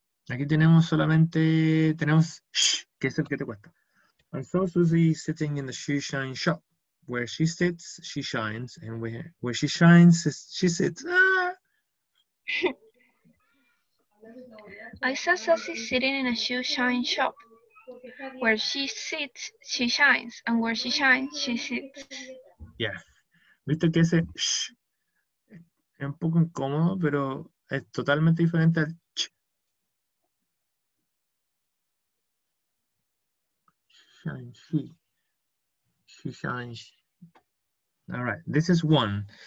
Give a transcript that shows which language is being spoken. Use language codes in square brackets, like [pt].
[es] Aquí tenemos solamente tenemos shh, que es el que te cuesta. [en] And so Susie is sitting in the shoe shine shop. Where she sits, she shines, and where she shines, she sits. I saw Susie sitting in a shoe shine shop. Where she sits, she shines, and where she shines, she sits. [es] Yeah. ¿Viste que ese shh? Es un poco incómodo, pero es totalmente diferente al ch. [en] Shine, she shines. All right, this is one.